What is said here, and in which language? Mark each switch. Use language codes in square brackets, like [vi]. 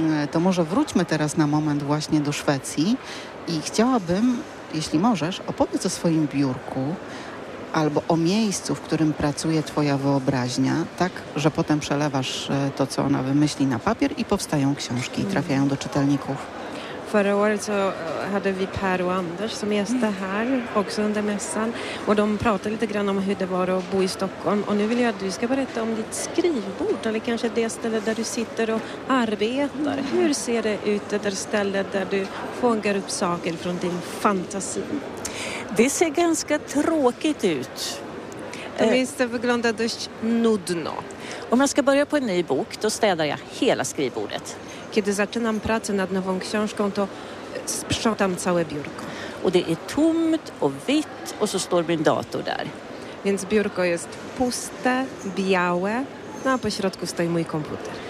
[pl] To może wróćmy teraz na moment właśnie do Szwecji i chciałabym, jeśli możesz, opowiedz o swoim biurku albo o miejscu, w którym pracuje twoja wyobraźnia, tak, że potem przelewasz to, co ona wymyśli, na papier i powstają książki i trafiają do czytelników. [sv] Förra året så hade vi Per och Anders som gäste här också under mässan. Och de pratade lite grann om hur det var att bo i Stockholm. Och nu vill jag att du ska berätta om ditt skrivbord eller kanske det ställe där du sitter och arbetar. Hur ser det ut, det där stället där du fångar upp saker från din fantasi? Det ser ganska tråkigt ut. [pl] Det förglandar dość nudno. [sv] Om jag ska börja på en ny bok, då städar jag hela skrivbordet. [pl] Kiedy zaczynam pracę nad nową książką, to sprzątam całe biurko. [sv] Och det är tomt och vitt och så står min dator där. [pl] Więc biurko jest puste, białe, no a po środku stoi mój komputer.